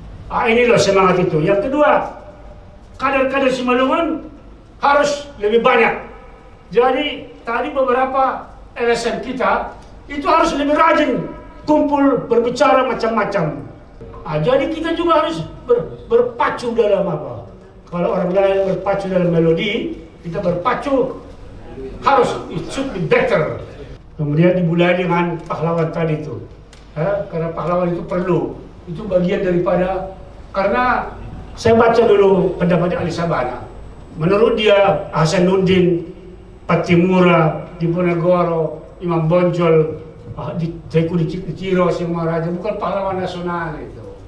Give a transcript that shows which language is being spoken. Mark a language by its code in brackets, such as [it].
[id] Ah ini loh semangat itu. Yang kedua, kader-kader Simalungun harus lebih banyak. Jadi tadi beberapa LSM kita itu harus lebih rajin kumpul berbicara macam-macam. Ah jadi kita juga harus berpacu dalam apa? Kalau orang lain berpacu dalam melodi, kita berpacu. Harus, [en] it should be better. [id] Kemudian dimulai dengan pahlawan tadi itu. Eh, karena pahlawan itu perlu. Itu bagian daripada, karena saya baca dulu pendapatnya Ali Sabana. Menurut dia, Hasanuddin, Patimura, Diponegoro, Imam Bonjol, Teku di Ciro, Simaraja, bukan pahlawan nasional itu.